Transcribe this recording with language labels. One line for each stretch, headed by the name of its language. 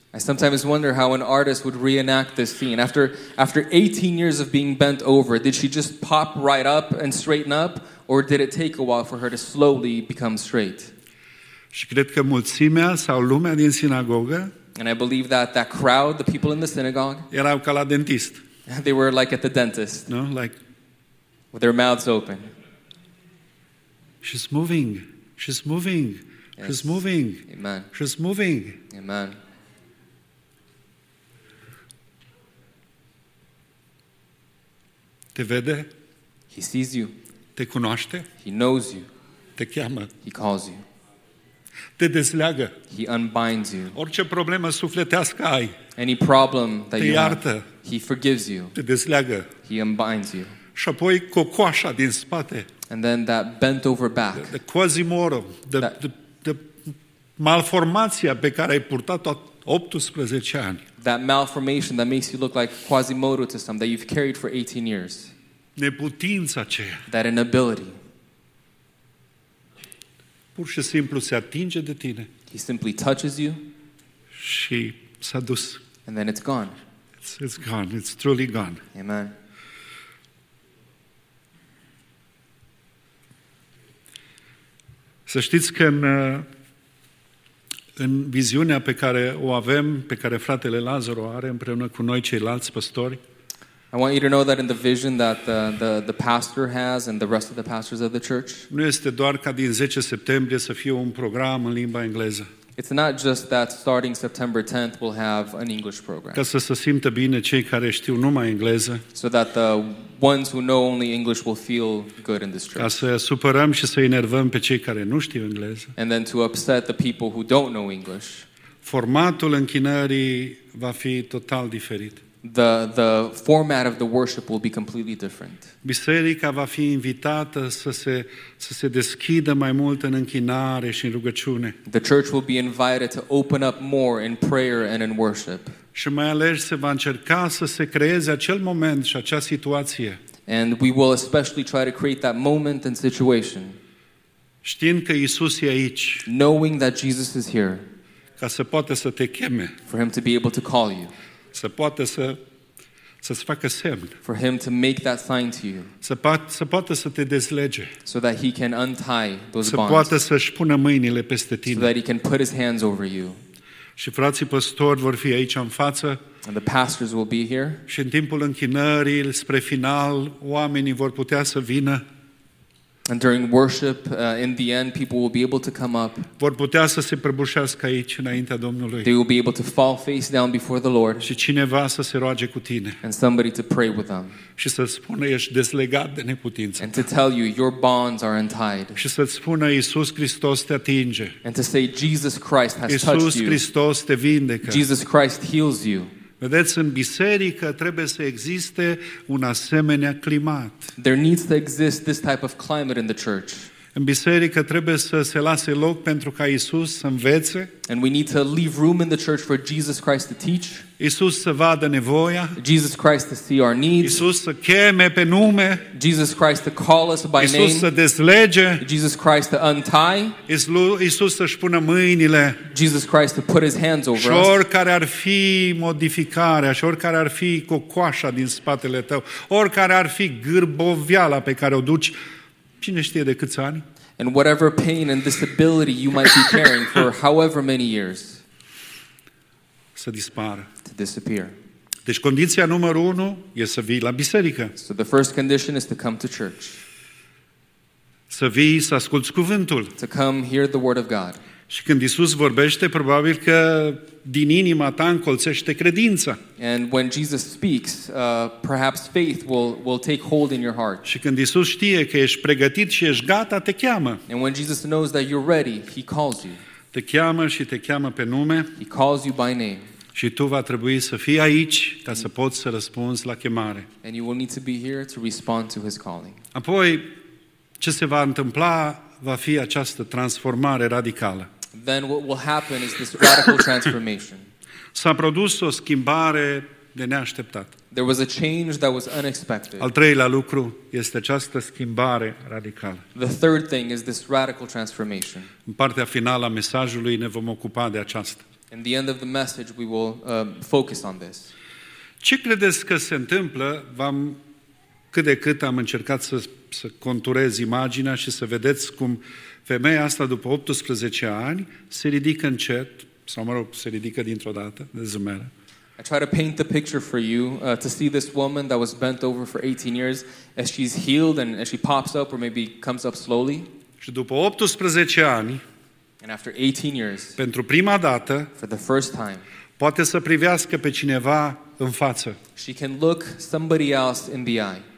English: I sometimes wonder how an artist would reenact this scene. After 18 years of being bent over, did she just pop right up and straighten up, or did it take a while for her to slowly become straight?
Romanian: Și cred că mulțimea sau lumea din sinagogă,
English: and I believe that crowd, the people in the synagogue,
Romanian: erau ca la dentist.
English: They were like at the dentist. No, like with their mouths open. She's moving. She's moving. Yes. She's moving. Amen. She's moving. Amen.
Romanian: Te vede?
English: He sees you.
Romanian: Te cunoaște?
English: He knows you.
Romanian: Te cheamă?
English: He calls you.
Romanian: Te dezleagă?
English: He unbinds you.
Romanian: Orice problemă sufletească ai?
English: Any problem that
Romanian: te
English: you
Romanian: iartă?
English: Have, he forgives you.
Romanian: Te dezleagă?
English: He unbinds you.
Romanian: Și apoi cocoașa din spate?
English: And then that bent over back. The Quasimodo, the
Romanian: malformația pe care ai purtat-o 18 ani.
English: That malformation that makes you look like Quasimodo to some, that you've carried for 18 years.
Romanian: Neputința aceea.
English: That inability.
Romanian: Pur și simplu se atinge de tine.
English: He simply touches you.
Romanian: Și s-a dus.
English: And then it's gone. It's gone. It's truly gone. Amen.
Romanian: Să știți că în viziunea pe care o avem, pe care fratele Lazar o are împreună cu noi ceilalți păstori,
English: I want you to know that in the vision that the pastor has and the rest of the pastors of the church.
Romanian: Nu este doar ca din 10 septembrie să fie un program în limba engleză.
English: It's not just that starting September 10th we'll have an English program.
Romanian: Ca să se simtă bine cei care știu numai engleză.
English: So that the ones who know only English will feel good in this church.
Romanian: Ca să supărăm și să enervăm pe cei care nu știu engleză.
English: And then to upset the people who don't know English.
Romanian: Formatul închinării va fi total diferit.
English: The format of the worship will be completely different.
Romanian: Biserica va fi invitată să se deschidă mai mult în închinare și în rugăciune.
English: The church will be invited to open up more in prayer and in worship.
Romanian: Și mai ales se va încerca să se creeze acel moment și acea situație.
English: And we will especially try to create that moment and situation.
Romanian: Știind că Iisus e aici.
English: Knowing that Jesus is here.
Romanian: Ca să poată să te cheme.
English: For him to be able to call you.
Romanian: Să poată să-ți facă semn.
English: For him to make that sign to you.
Romanian: Să poată să te dezlege.
English: So that he can untie those bonds.
Romanian: Să poată să-și pună mâinile peste tine.
English: So that he can put his hands over you.
Romanian: Și frații păstori vor fi aici în față.
English: And the pastors will be here.
Romanian: Și în timpul închinării, spre final, oamenii vor putea să vină.
English: And during worship, in the end, people will be able to come up.
Romanian: Vor putea să se prăbușească aici înaintea Domnului.
English: They will be able to fall face down before the Lord.
Romanian: Și cineva să se roage cu tine.
English: And somebody to pray with them.
Romanian: Și să spună ești dezlegat de neputință.
English: And to tell you your bonds are untied.
Romanian: Și să spună Iisus Hristos te atinge.
English: And to say Jesus Christ has touched you.
Romanian: Iisus Hristos te vindecă.
English: Jesus Christ heals you.
Romanian: Vedeți, în biserică trebuie să existe un asemenea climat.
English: There needs to exist this type of climate in the church.
Romanian: În biserică trebuie să se lase loc pentru ca Iisus să învețe.
English: And we need to leave room in the church for Jesus Christ to teach.
Romanian: Iisus să vadă nevoia.
English: Jesus Christ to see our needs.
Romanian: Iisus să cheme pe nume.
English: Jesus Christ to call us by name.
Romanian: Iisus să dezlege.
English: Jesus Christ to untie.
Romanian: Iisus să-și pună mâinile.
English: Jesus Christ to put his hands over us.
Romanian: Și oricare ar fi modificarea, și oricare ar fi cocoașa din spatele tău, oricare ar fi gârboviala pe care o duci, cine știe de câți ani?
English: And whatever pain and disability you might be carrying for however many years.
Romanian: Să dispară.
English: To disappear.
Romanian: Deci condiția numărul 1 e să vii la biserică.
English: So the first condition is to come to church.
Romanian: Să vii să asculți cuvântul.
English: To come hear the word of God.
Romanian: Și când Iisus vorbește, probabil că din inima ta încolțește credința.
English: And when Jesus speaks, perhaps faith will take hold in your heart.
Romanian: Și când Iisus știe că ești pregătit și ești gata, te cheamă.
English: And when Jesus knows that you're ready, he calls you.
Romanian: Te cheamă și te cheamă pe nume.
English: He calls you by name.
Romanian: Și tu va trebui să fii aici ca să poți să răspunzi la chemare.
English: And you will need to be here to respond to his calling.
Romanian: Apoi, ce se va întâmpla? Va fi această transformare radicală.
English: Then what will happen is this radical transformation.
Romanian: S-a produs o schimbare de neașteptat.
English: There was a change that was unexpected.
Romanian: Al treilea lucru este această schimbare radicală.
English: The third thing is this radical transformation.
Romanian: În partea finală a mesajului ne vom ocupa de aceasta.
English: In the end of the message we will focus on this.
Romanian: Ce credeți că se întâmplă? Cât de cât am încercat să conturez imaginea și să vedeți cum femeia asta după 18 ani se ridică încet, sau mă rog, se ridică dintr-o dată, de zâmbere.
English: I try to paint the picture for you, to see this woman that was bent over for 18 years, as she's healed and as she pops up or maybe comes up slowly.
Romanian: Și după 18 ani,
English: and after 18 years,
Romanian: pentru prima dată,
English: for the first time,
Romanian: poate să privească pe cineva în față.
English: She can look somebody else in the eye.